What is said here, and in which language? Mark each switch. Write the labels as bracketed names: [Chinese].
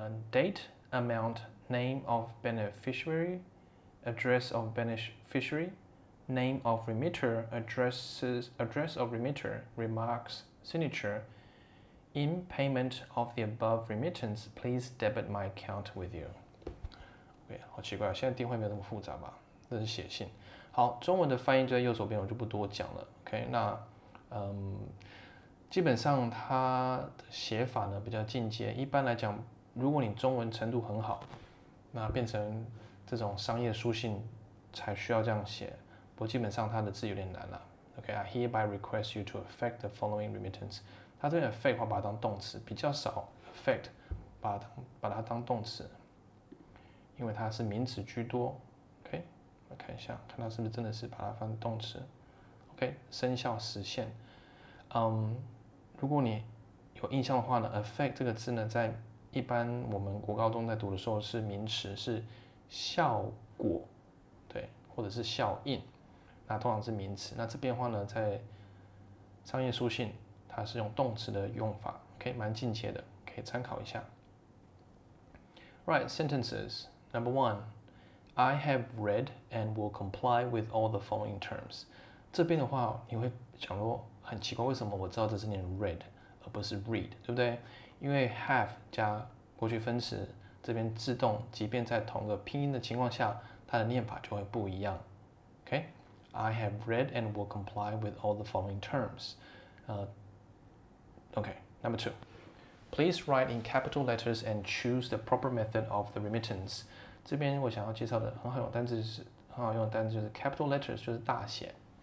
[English] Date, amount, name of beneficiary, address of beneficiary, name of remitter, address of remitter, remarks, signature. In payment of the above remittance, please debit my account with you. [Chinese] Okay, 好奇怪，现在电话没有那么复杂吧？这是写信。好，中文的翻译就在右手边，我就不多讲了。Okay, 那基本上它的写法呢比较进阶，一般来讲。如果你中文程度很好，那变成这种商业书信才需要这样写。不过基本上它的字有点难了、啊。 [English] OK, I hereby request you to effect the following remittance. [Chinese] 它这边 effect 的话把它当动词，比较少 effect 把它当动词，因为它是名词居多。 OK, 我看一下，看它是不是真的是把它放动词。OK, 生效实现。如果你有印象的话呢 ，effect 这个字呢在一般我们国高中在读的时候是名词，是效果，对，或者是效应，那通常是名词。那这边的话呢，在商业书信它是用动词的用法，可以蛮进阶的，可以参考一下。 [English] Right, sentences. Number one, I have read and will comply with all the following terms. [Chinese] 这边的话你会想说很奇怪，为什么我知道这是念 read 而不是 read， 对不对？因为 have 加过去分词，这边自动，即便在同个拼音的情况下，它的念法就会不一样。 [English] Okay, I have read and will comply with all the following terms. Okay, number two. Please write in capital letters and choose the proper method of the remittance. [Chinese] 这边我想要介绍的很好用单词是很好用的单词就是 capital letters， 就是大写。